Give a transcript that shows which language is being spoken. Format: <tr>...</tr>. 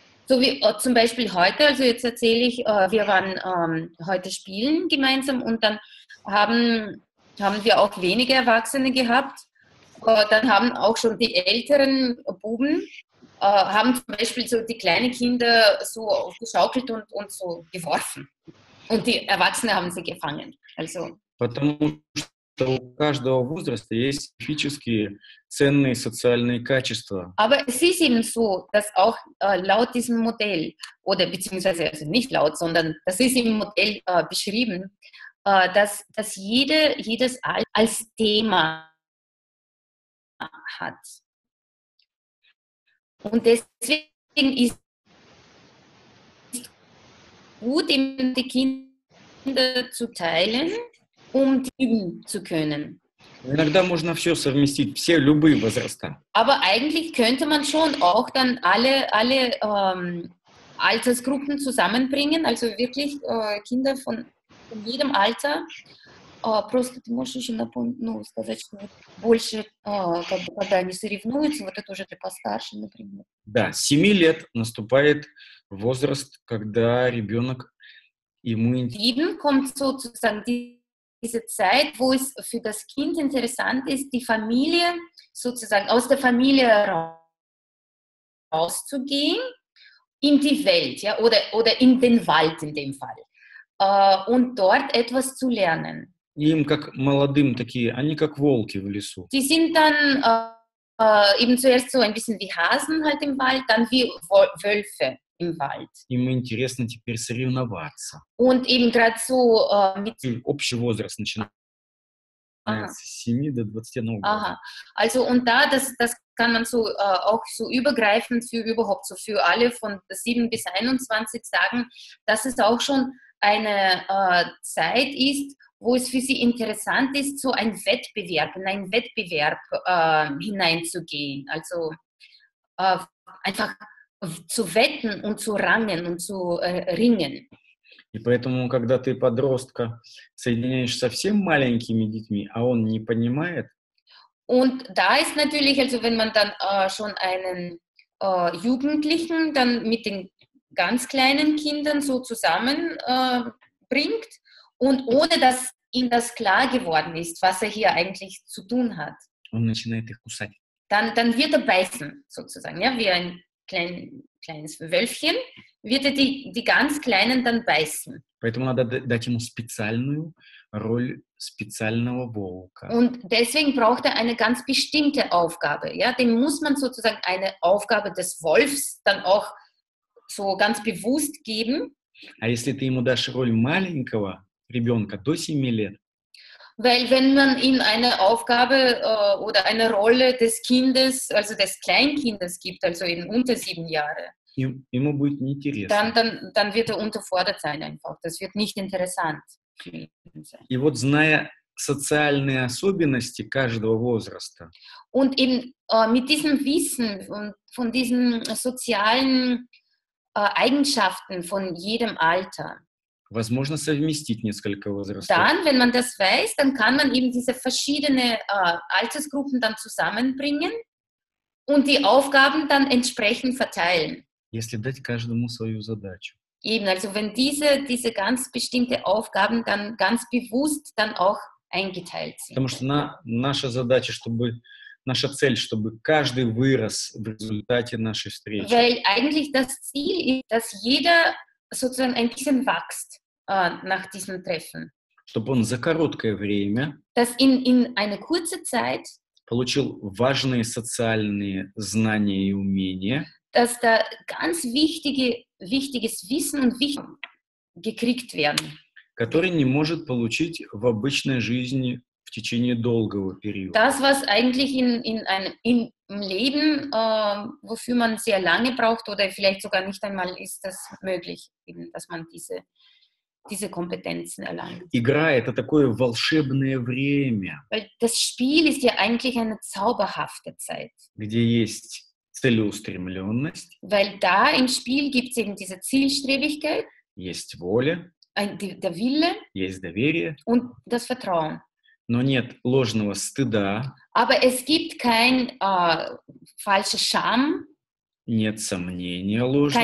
<de>So wie zum Beispiel heute, also jetzt erzähle ich, wir waren heute spielen gemeinsam und dann haben wir auch wenige Erwachsene gehabt. Dann haben auch schon die älteren Buben, haben zum Beispiel so die kleinen Kinder so aufgeschaukelt und so geworfen. Und die Erwachsenen haben sie gefangen. Also.</de> <ru>У каждого возраста есть специфические ценные социальные качества.</ru> <de>Aber es ist eben so, dass auch laut diesem Modell, oder beziehungsweise also nicht laut, sondern das ist im Modell beschrieben, dass jedes Alter als Thema hat. Und deswegen ist gut, eben die Kinder zu teilen, üben zu können.</de> <ru>Иногда можно все совместить, все любые возраста.</ru> <de>Aber eigentlich könnte man schon auch dann alle Altersgruppen zusammenbringen, also wirklich Kinder von jedem Alter.</de> <ru>Просто ты можешь еще сказать, что больше, когда они соревнуются, вот это уже для постарше, например. Да, с 7 лет наступает возраст, когда ребенок ему...</ru> <de>Üben kommt sozusagen diese Zeit, wo es für das Kind interessant ist, die Familie sozusagen aus der Familie rauszugehen in die Welt, ja, oder in den Wald in dem Fall, und dort etwas zu lernen.</de> <ru>Им как молодым такие, они как волки в лесу.</ru> <de>Die sind dann eben zuerst so ein bisschen wie Hasen halt im Wald, dann wie Wölfe. Im Wald.</de> <ru>Им интересно теперь соревноваться.</ru> <de>Und eben gerade so mit...</de> <ru>Общий возраст начинается с 7 до 21 года.</ru> <de>Aha. Also und da, das kann man so auch so übergreifend für überhaupt so für alle von 7 bis 21 sagen, dass es auch schon eine Zeit ist, wo es für sie interessant ist, so ein Wettbewerb, in einen Wettbewerb hineinzugehen. Also einfach zu wetten und zu rangen und zu ringen.</de> <ru>И поэтому, когда ты подростка соединяешь со всем маленькими детьми, а он не понимает.</ru> <de>Und da ist natürlich, also wenn man dann schon einen Jugendlichen dann mit den ganz kleinen Kindern so zusammenbringt und ohne dass ihm das klar geworden ist, was er hier eigentlich zu tun hat.</de> <ru>Он начинает их кусать.</ru> <de>Dann wird er beißen, sozusagen, ja, wie ein kleines Wölfchen, wird er die ganz Kleinen dann beißen.</de> <ru>Поэтому надо дать ему специальную роль специального волка.</ru> <de>Und deswegen braucht er eine ganz bestimmte Aufgabe. Ja? Dem muss man sozusagen eine Aufgabe des Wolfs dann auch so ganz bewusst geben.</de> <ru>А если ты ему дашь роль маленького ребенка до 7 лет,</ru> <de>weil wenn man ihm eine Aufgabe oder eine Rolle des Kindes, also des Kleinkindes gibt, also eben unter 7 Jahre, dann wird er unterfordert sein einfach. Das wird nicht interessant für ihn sein.</de> <ru>Вот, зная социальные особенности каждого возраста,</ru> <de>und eben mit diesem Wissen und von diesen sozialen Eigenschaften von jedem Alter,</de> <ru>возможно совместить несколько возрастов.</ru> <de>Dann, wenn man das weiß, dann kann man eben diese verschiedenen Altersgruppen dann zusammenbringen und die Aufgaben dann entsprechend verteilen.</de> <ru>Если дать каждому свою задачу.</ru> <de>Eben, also wenn diese ganz bestimmte Aufgaben dann ganz bewusst dann auch eingeteilt sind.</de> <ru>Потому что наша задача, чтобы наша цель, чтобы каждый вырос в результате нашей встречи.</ru> <de>Weil eigentlich das Ziel ist, dass jeder sozusagen ein bisschen wächst nach diesem Treffen.</de> <ru>Чтобы он за короткое время,</ru> <de>dass in eine kurze Zeit</de> <ru>получил важные социальные знания и умения,</ru> <de>dass da ganz wichtiges Wissen und Wissen gekriegt werden.</de> <ru>Который не может получить в обычной жизни в течение долгого периода.</ru> <de>Das, was eigentlich im Leben, wofür man sehr lange braucht oder vielleicht sogar nicht einmal ist das möglich, eben, dass man diese Kompetenzen erlangt.</de> <ru>Игра – это такое волшебное время.</ru> <de>Weil das Spiel ist ja eigentlich eine zauberhafte Zeit.</de> <ru>Где есть целеустремленность.</ru> <de>Weil da im Spiel gibt es eben diese Zielstrebigkeit.</de> <ru>Есть воля.</ru> <de>Der Wille,</de> <ru>есть доверие,</ru> <de>und das Vertrauen.</de> <ru>Но нет ложного стыда,</ru> <de>aber es gibt kein falscher Scham,</de> <ru>нет сомнения ложного,</ru>